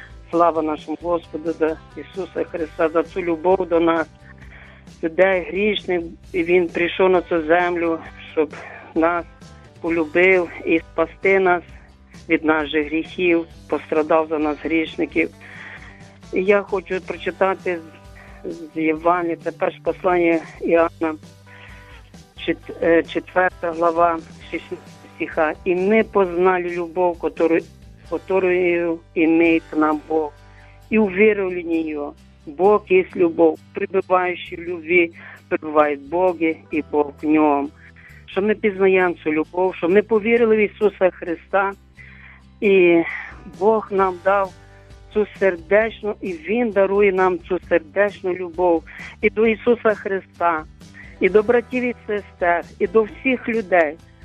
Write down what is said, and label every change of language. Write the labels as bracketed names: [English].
[Ukrainian] Слава нашому Господу за Ісуса Христа, за цю любов до нас, людей грішних, і Він прийшов на цю землю, щоб нас полюбив і спасти нас від наших гріхів, пострадав за нас грішників. І я хочу прочитати з Євангелії, це перше послання Іоанна, 4 глава, 16 стиха. «І ми [Russian] познали любов, которую имеет нам Бог, и уверовали в нее. Бог есть любовь, пребывающий в любви, пребывает в Боге, и Бог в нем». [Ukrainian] Що ми пізнаємо цю любов, що ми повірили в Ісуса Христа, і Бог нам дав цю сердечну, і Він дарує нам цю сердечну любов і до Ісуса Христа, і до братів і сестер, і до всіх людей.